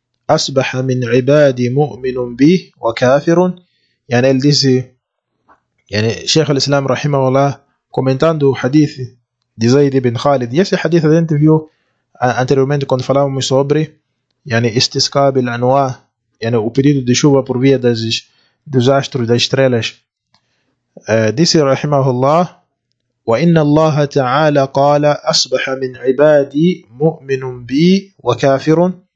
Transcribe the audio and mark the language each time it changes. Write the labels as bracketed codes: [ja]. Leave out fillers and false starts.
[ar] أصبح من عبادي مؤمن به وكافر. [pt] يعني ele disse, [ar] يعني شيخ الإسلام رحمه الله [pt] comentando o hadith de Zayd ibn Khalid. E esse hadith a gente viu anteriormente quando falávamos sobre [ar] يعني استسقاء بالأنواع, [pt] يعني o período de chuva por via dos astros, das estrelas. Disse [ar] رحمه الله وإن الله تعالى قال أصبح من عبادي مؤمن بي وكافر.